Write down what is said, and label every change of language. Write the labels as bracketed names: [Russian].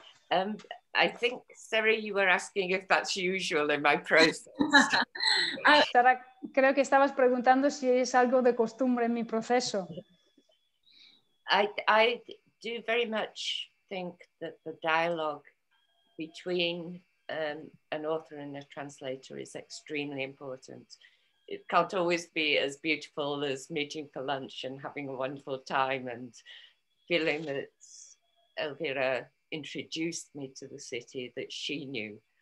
[English] I think, Sarah, you were asking if that's usual in my process. [Spanish] Sarah, creo que estabas preguntando si es algo de costumbre en mi proceso. [English] I do very much think that the dialogue between an author and a translator is extremely important. It can't always be as beautiful as meeting for lunch and having a wonderful time and feeling that Elvira introduced me to the city that she knew.